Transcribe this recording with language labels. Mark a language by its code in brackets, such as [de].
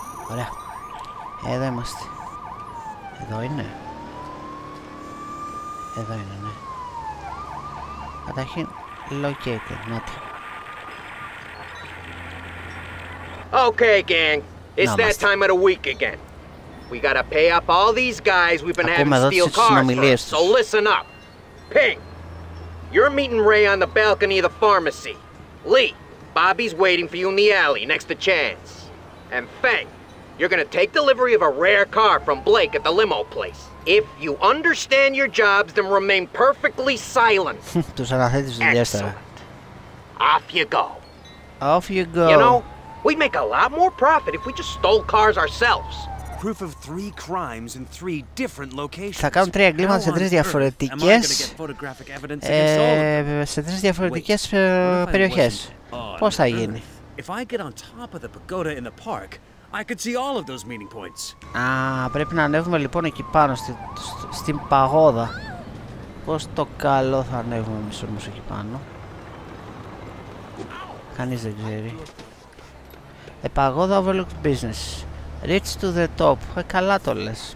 [el] Ωραία. Εδώ είμαστε. Εδώ είναι. Εδώ είναι, ναι. Καταρχήν, located. Νότι. [en] Okay, gang. It's that time of the week again. We gotta pay up all these guys we've been having steal cars. So listen up. Ping. You're meeting Ray on the balcony of the pharmacy. Lee, Bobby's waiting for you in the alley next to Chance. And Feng, you're gonna take delivery of a rare car from Blake at the limo place. If you understand your jobs, then remain perfectly silent. Excellent. Off you go. Off you go. You know, we'd make a lot more profit if we just stole cars ourselves. Proof of three crimes in three different locations. [el] Θα κάνω τρία εγκλήματα σε τρεις διαφορετικές περιοχές. Πώς θα γίνει? [en] If I get on top of the pagoda in the park, I could see all of those meeting points. [el] Α, πρέπει να ανέβουμε λοιπόν εκεί πάνω στην παγόδα. Πώς το καλό θα ανέβουμε εμείς όμως εκεί πάνω? Κανείς δεν ξέρει. Η παγόδα [en] overlooked business. Reach to the top. [el] Καλά το λες.